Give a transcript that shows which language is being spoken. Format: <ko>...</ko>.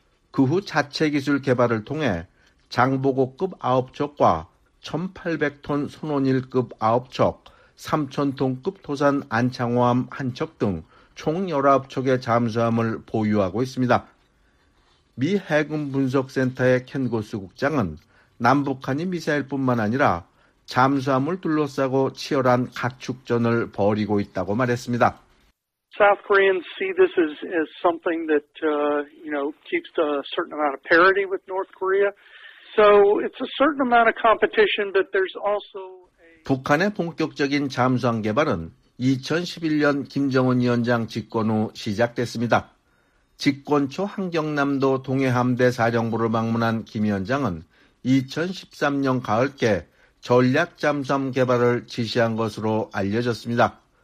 <ko>그 후 자체 기술 개발을 통해 장보고급 9척과 1800톤 손원일급 9척, 3000톤급 도산 안창호함 1척 등 총 19척의 잠수함을 보유하고 있습니다. 미 해군분석센터의 켄 고스 국장은 남북한이 미사일뿐만 아니라 잠수함을 둘러싸고 치열한 각축전을 벌이고 있다고 말했습니다.</ko> <en>South Koreans see this as something that you know keeps a certain amount of parity with North Korea. So it's a certain amount of competition, but there's also</en> <ko>북한의 본격적인 잠수함 개발은 2011년 김정은 위원장 집권 후 시작됐습니다. 집권 초 함경남도 동해함대 사령부를 방문한 김 위원장은 2013년 가을께 전략 잠수함 개발을 지시한 것으로 알려졌습니다.</ko>